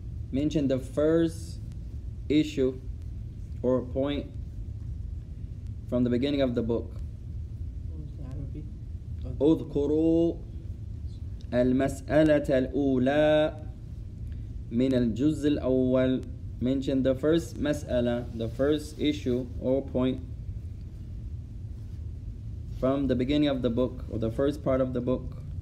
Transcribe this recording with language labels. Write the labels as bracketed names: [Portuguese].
[English] Mention the first issue or point from the beginning of the book. [Arabic] اذكروا المسألة الأولى من الجزء الأول. [English] Mention the first مسألة, the first issue or point from the beginning of the book or the first part of the book.